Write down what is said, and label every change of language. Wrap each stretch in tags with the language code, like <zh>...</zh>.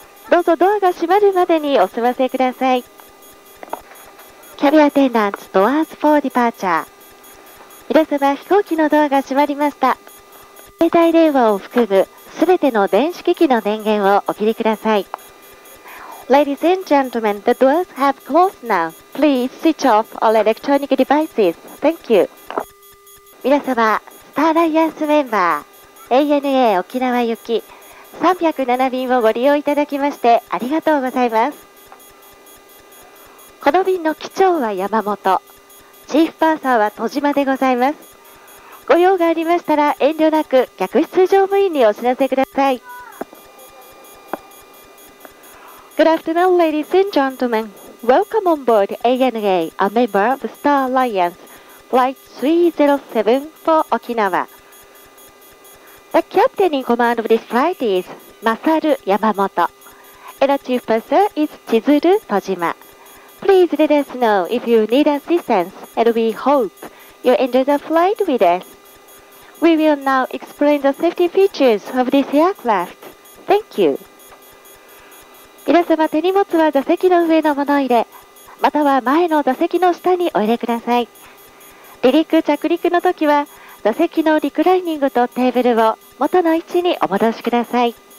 <ja>どうぞドアが閉まるまでにお済ませください。</ja> <en>キャビアテンダンツ、ドアーズフォーディパーチャー。</en> <ja>皆様、飛行機のドアが閉まりました。携帯電話を含むすべての電子機器の電源をお切りください。</ja> <en>Ladies and gentlemen, the doors have closed now. Please switch off all electronic devices. Thank you.</en> <ja>皆様、スターアライアンスメンバー、ANA 沖縄行き307便をご利用いただきましてありがとうございます。この便の機長は山本、チーフパーサーは戸島でございます。ご用がありましたら遠慮なく客室乗務員にお知らせください。</ja> <en>Good afternoon, ladies and gentlemen. Welcome on board ANA, a member of the Star Alliance, Flight 307 for Okinawa. The captain in command of this flight is Masaru Yamamoto, and the chief purser is Chizuru Tojima. Please let us know if you need assistance and we hope you enjoy the flight with us. We will now explain the safety features of this aircraft. Thank you.</en> <ja>皆様、手荷物は座席の上の物入れ、または前の座席の下にお入れください。離陸・着陸の時は、座席のリクライニングとテーブルを元の位置にお戻しください。</ja>